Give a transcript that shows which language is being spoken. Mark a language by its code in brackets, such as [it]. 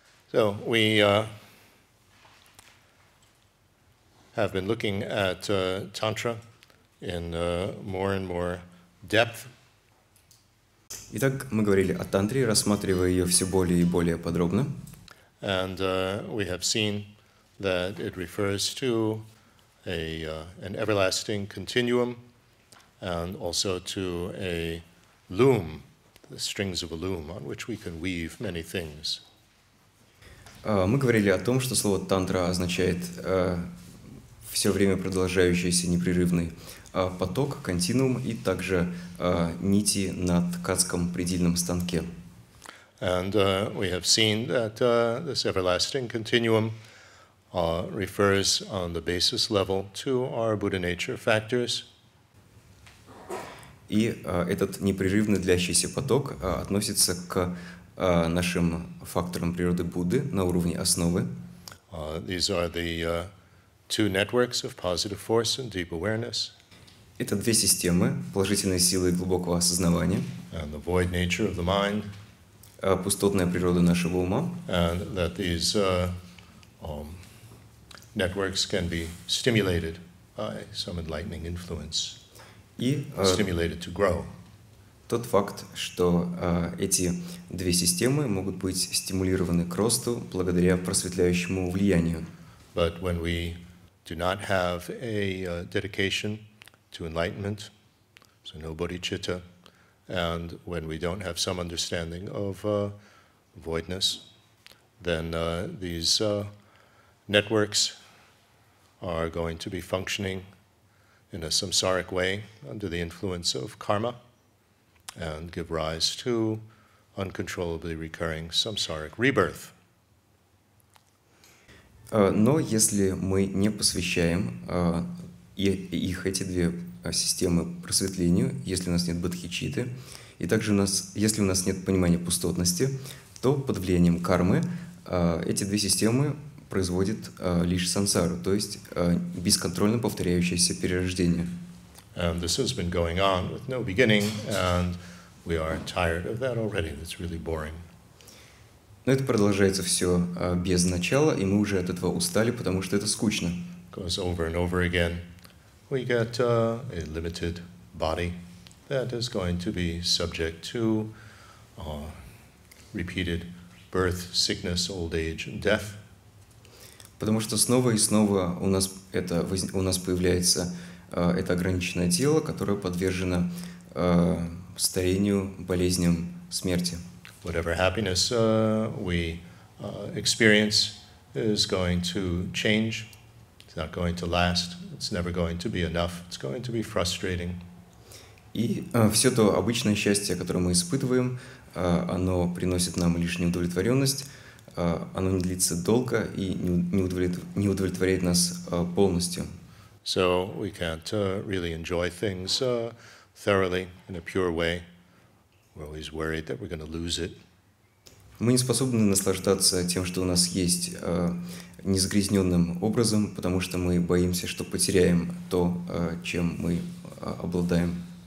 [en] So we have been looking at Tantra in more and more depth. [ru] Итак, мы говорили о тантре, рассматривая ее все более и более подробно. [en] And we have seen that it refers to an everlasting continuum and also to a loom, the strings of a loom on which we can weave many things. [ru] Мы говорили о том, что слово «тантра» означает все время продолжающийся непрерывный поток, континуум и также нити на ткацком предельном станке. [en] And we have seen that this everlasting continuum refers on the basis level to our Buddha nature factors. [ru] И этот непрерывно длящийся поток относится к нашим факторам природы Будды на уровне основы. [en] These are the two networks of positive force and deep awareness. [ru] Это две системы положительной силы и глубокого осознавания. [en] And the void nature of the mind. [ru] Пустотная природа нашего ума. [en] And that these networks can be stimulated by some enlightening influence. Stimulated to grow. [ru] Тот факт, что эти две системы могут быть стимулированы к росту благодаря просветляющему влиянию. [en] But when we do not have a dedication to enlightenment, so no bodhicitta, and when we don't have some understanding of voidness, then these networks are going to be functioning in a samsaric way under the influence of karma and give rise to uncontrollably recurring samsaric rebirth. [ru] Но если мы не посвящаем их эти две системы просветлению, если у нас нет бодхичитты, и также если у нас нет понимания пустотности, то под влиянием кармы эти две системы производит лишь сансару, то есть бесконтрольно повторяющееся перерождение. [en] And this has been going on with no beginning, and we are tired of that already. It's really boring. [ru] Но это продолжается все без начала, и мы уже от этого устали, потому что это скучно. [en] Goes over and over again. We get a limited body that is going to be subject to repeated birth, sickness, old age, and death. [ru] Потому что снова и снова у нас появляется это ограниченное тело, которое подвержено старению, болезням, смерти. [en] Whatever happiness we experience is going to change. It's not going to last. It's never going to be enough. It's going to be frustrating. [ru] И все то обычное счастье, которое мы испытываем, оно приносит нам лишь неудовлетворенность. Оно не длится долго и не удовлетворяет нас полностью. [en] So we can't really enjoy things thoroughly in a pure way. We're always worried that we're going to lose it. [ru] Мы не способны наслаждаться тем, что у нас есть, незагрязненным образом, потому что мы боимся, что потеряем то, чем мы обладаем.